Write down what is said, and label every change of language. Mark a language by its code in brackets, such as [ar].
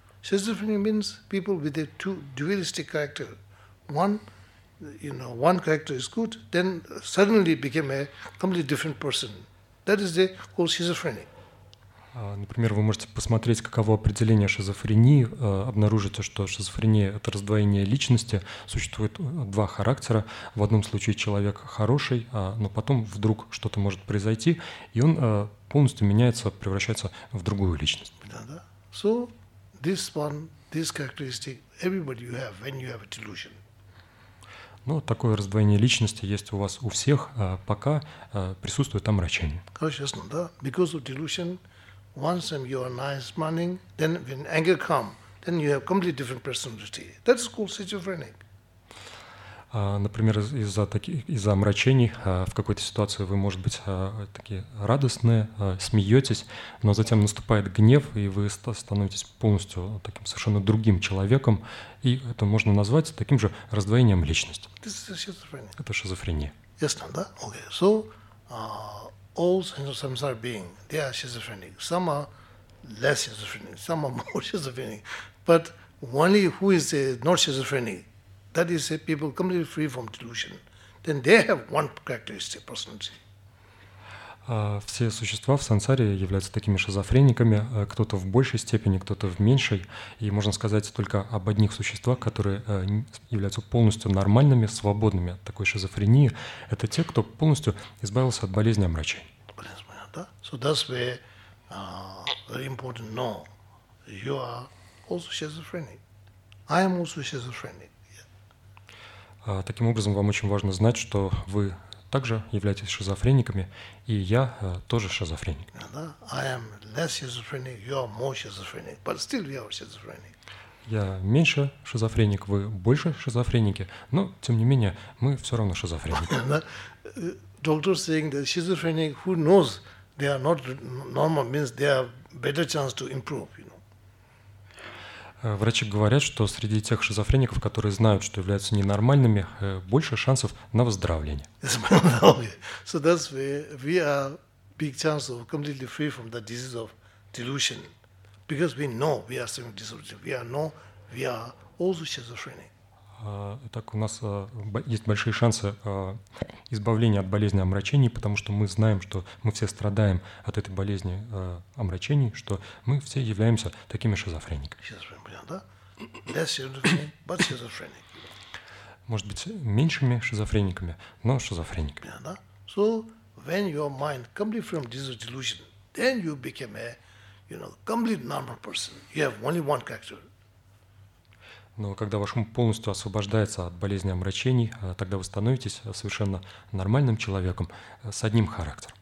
[en] Schizophrenic means people with a two dualistic character. One, you know, one character is good, then suddenly became a completely different person. That is called schizophrenic. [ru] Например, вы можете посмотреть, каково определение шизофрении, обнаружите, что шизофрения — это раздвоение личности, существует два характера. В одном случае человек хороший, но потом вдруг что-то может произойти, и он полностью меняется, превращается в другую личность. Да-да. [en] So, this one, this characteristic, everybody you have when you have a delusion. [ru] Но такое раздвоение личности есть у вас у всех, пока присутствует омрачение. Конечно, да. [en] Because of delusion, once you are nice morning, then when anger comes, then you have completely different personality. That's called schizophrenic. [ru] Например, из-за омрачений в какой-то ситуации вы, может быть, такие радостные, смеетесь, но затем наступает гнев, и вы становитесь полностью таким совершенно другим человеком, и это можно назвать таким же раздвоением личности. [en] This is schizophrenic. [ru] Это шизофрения. Ясно, да? [en] Okay. So, all sense of samsara being, they are schizophrenic. Some are less schizophrenic, some are more schizophrenic. But only who is not schizophrenic, that is people completely free from delusion, then they have one characteristic personality. [ru] Все существа в сансаре являются такими шизофрениками, кто-то в большей степени, кто-то в меньшей. И можно сказать только об одних существах, которые являются полностью нормальными, свободными от такой шизофрении. Это те, кто полностью избавился от болезни омрачения. Да? [en] So that's where very important know. You are also schizophrenic. I am also schizophrenic. Yeah. [ru] Таким образом, вам очень важно знать, что вы также являетесь шизофрениками, и я тоже шизофреник. [en] I am less schizophrenic, you are more schizophrenic, but still we are schizophrenic. [ru] Я меньше шизофреник, вы больше шизофреники, но, тем не менее, мы все равно шизофреники. [en] Doctor saying that schizophrenic who knows they are not normal means they have better chance to improve, you know. [ru] Врачи говорят, что среди тех шизофреников, которые знают, что являются ненормальными, больше шансов на выздоровление. [en] So that's where we are big chance of completely free from the disease of delusion. Because we know we are suffering disorder. We are also schizophrenic. [ru] Так у нас есть большие шансы избавления от болезни омрачений, потому что мы знаем, что мы все страдаем от этой болезни омрачений, что мы все являемся такими шизофрениками. Шизофреник, понятно, да? [en] Less schizophrenic, but schizophrenic. [ru] Может быть, меньшими шизофрениками, но шизофреник. Понятно, да? [en] So, when your mind completely from this delusion, then you became a, you know, complete normal person. You have only one character. [ru] Но когда ваш ум полностью освобождается от болезни омрачений, тогда вы становитесь совершенно нормальным человеком с одним характером.